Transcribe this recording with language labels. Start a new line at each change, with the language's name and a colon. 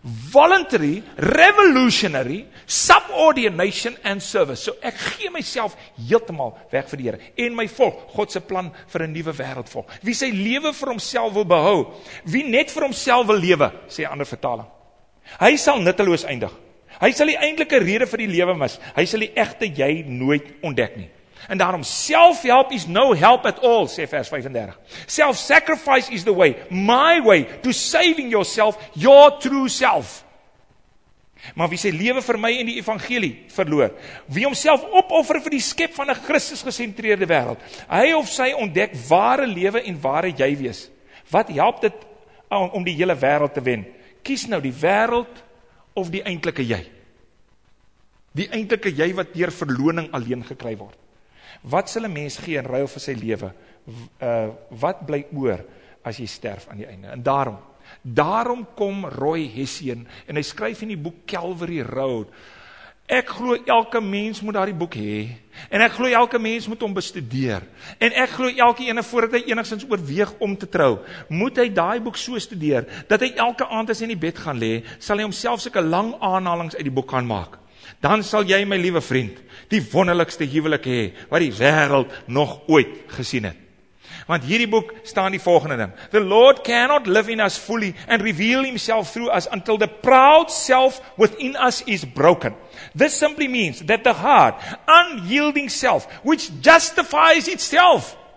English: Voluntary revolutionary subordination and service.
Afrikaans: So ek gee myself heeltemal weg vir die Here en my volk, God se plan vir 'n nuwe wêreld volk. Wie sy lewe vir homself wil behou, wie net vir homself wil lewe, sê 'n ander vertaling. Hy sal nutteloos eindig. Hy sal die eintlike rede vir die lewe mis. Hy sal die egte jy nooit ontdek nie. En daarom,
English: self-help is no help at all,
Afrikaans: sê vers 35.
English: Self-sacrifice is the way, my way, to saving yourself, your true self.
Afrikaans: Maar wie sy lewe vir my in die evangelie verloor, wie homself opoffer vir die skep van 'n Christus-gesentreerde wêreld, hy of sy ontdek ware lewe en ware jy wees. Wat help dit om die hele wêreld te wen? Kies nou die wêreld of die eintlike jy. Die eintlike jy wat deur verloning alleen gekry word. Wat sal 'n mens gee in ruil vir sy lewe? Wat bly oor as jy sterf aan die einde? En daarom kom Roy Hessian en hy skryf in die boek Calvary Road. Ek glo elke mens moet daardie boek hê en ek glo elke mens moet hom bestudeer. En ek glo elke ene voordat hy enigsins oorweeg om te trou, moet hy daai boek so studeer dat hy elke aand as hy in die bed gaan lê, sal hy homself sulke lang aanhalings uit die boek kan maak. Dan sal jy, my liewe vriend, die wonderlikste huwelik hê wat die wêreld nog ooit gesien het. Want hierdie boek staan die volgende ding.
English: The Lord cannot live in us fully and reveal himself through us until the proud self within us is broken. This simply means that the hard, unyielding self, which justifies itself.